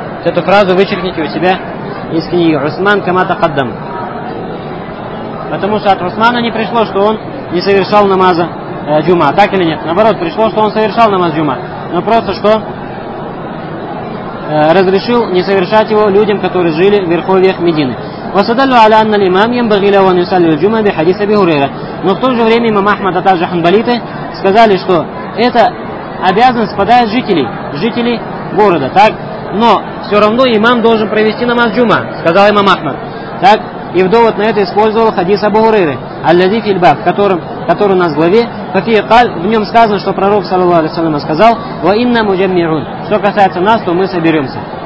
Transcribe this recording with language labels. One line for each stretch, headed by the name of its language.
Russian: Вот эту фразу вычеркните у себя из книги
Arabic: «Усман камата каддам».
Russian: Потому что от Усмана не пришло, что он не совершал намаза джума. Так или нет? Наоборот, пришло, что он совершал намаз джума. Но просто что? Разрешил не совершать его людям, которые жили в верховьях Медины.
Arabic: وصدلوا على أن الإمام ينبغي له أن يصلي الجمعة بحديث أبي هريرة.
Russian: Но в то же время имам Ахмад, а также ханбалиты сказали, что это обязанность спадает с жителей города, так? Но все равно имам должен провести намаз джума, сказал имам Ахмад. Так? И в довод на это использовал хадис Абу Хурейры,
Arabic: «Аллази филь баб»,
Russian: который у нас в главе,
Arabic: «Фафия каль»,
Russian: в нем сказано, что пророк, саллаллаху алейхи ва саллям, сказал,
Arabic: «Ва инна муджаммиун»,
Russian: что касается нас, то мы соберемся.